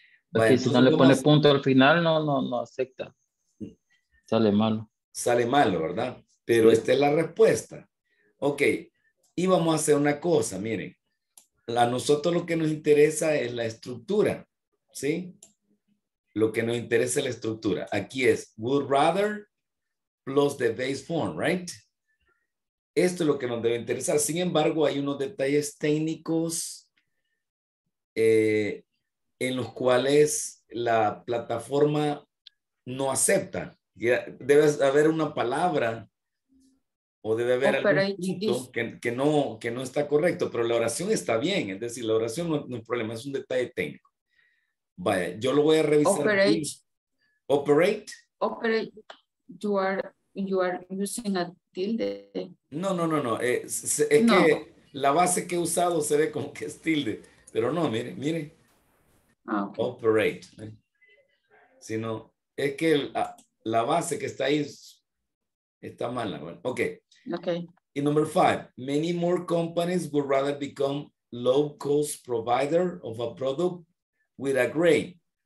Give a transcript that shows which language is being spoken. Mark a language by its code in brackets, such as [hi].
[es] Vale, si no le pone más... punto al final, no acepta. Sale malo. Sale malo, ¿verdad? Pero sí, esta es la respuesta. Ok, y vamos a hacer una cosa, miren. A nosotros lo que nos interesa es la estructura, ¿sí? Lo que nos interesa es la estructura. Aquí es [en] would rather plus the base form, right? [es] Esto es lo que nos debe interesar. Sin embargo, hay unos detalles técnicos en los cuales la plataforma no acepta. Debe haber una palabra o debe haber algún punto que no está correcto, pero la oración está bien. Es decir, la oración no es problema, es un detalle técnico. Vaya, yo lo voy a revisar. [en] Operate. [es] Aquí. [en] Operate. Operate. You are using a tilde. [es] No. Es no. Que la base que he usado se ve como que es tilde. Pero no, mire. [en] Ah, okay. Operate. [es] Sino es que la base que está ahí está mala. Bueno, [en] okay. [es] Y [en] number five. Many more companies would rather become low-cost provider of a product with a grade.